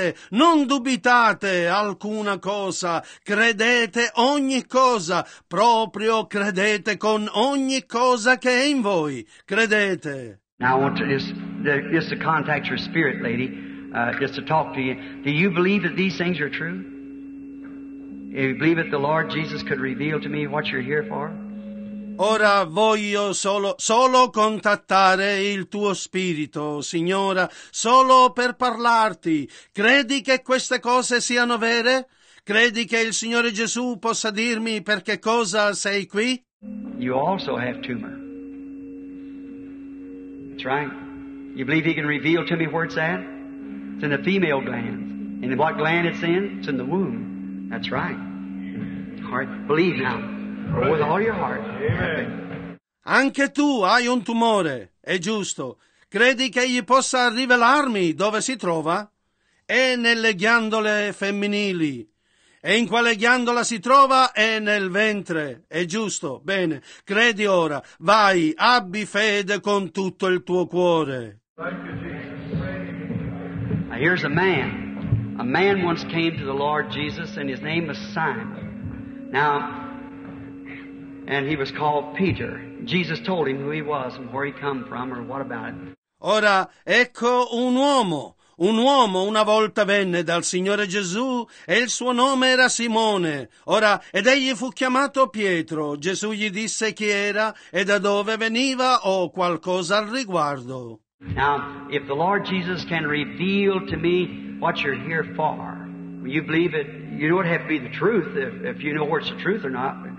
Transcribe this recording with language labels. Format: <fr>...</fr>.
<it>Non dubitate alcuna cosa. Credete ogni cosa. Proprio credete con ogni cosa che è in voi. Credete.</it> <en>Now I want to just to contact your spirit, lady. Just to talk to you. Do you believe that these things are true? Do you believe that the Lord Jesus could reveal to me what you're here for?</en> <it>Ora voglio solo contattare il tuo spirito, signora, solo per parlarti. Credi che queste cose siano vere? Credi che il Signore Gesù possa dirmi per che cosa sei qui?</it> <en>You also have tumor. That's right. You believe he can reveal to me where it's at? It's in the female glands. And what gland it's in? It's in the womb. That's right. Heart, believe now. With all your heart. Amen.</en> <it>Anche tu hai un tumore. È giusto. Credi che egli possa rivelarmi dove si trova? È nelle ghiandole femminili. E in quale ghiandola si trova? È nel ventre. È giusto. Bene. Credi ora. Vai. Abbi fede con tutto il tuo cuore.</it> <en>Here's a man. A man once came to the Lord Jesus, and his name was Simon. Now, and he was called Peter. Jesus told him who he was and where he come from, or what about it.</en> <it>Ora, ecco un uomo. Un uomo una volta venne dal Signore Gesù, e il suo nome era Simone. Ora, ed egli fu chiamato Pietro. Gesù gli disse chi era e da dove veniva o qualcosa al riguardo.</it> <en>Now, if the Lord Jesus can reveal to me what you're here for, you believe it, you don't have to be the truth if you know what's the truth or not.</en>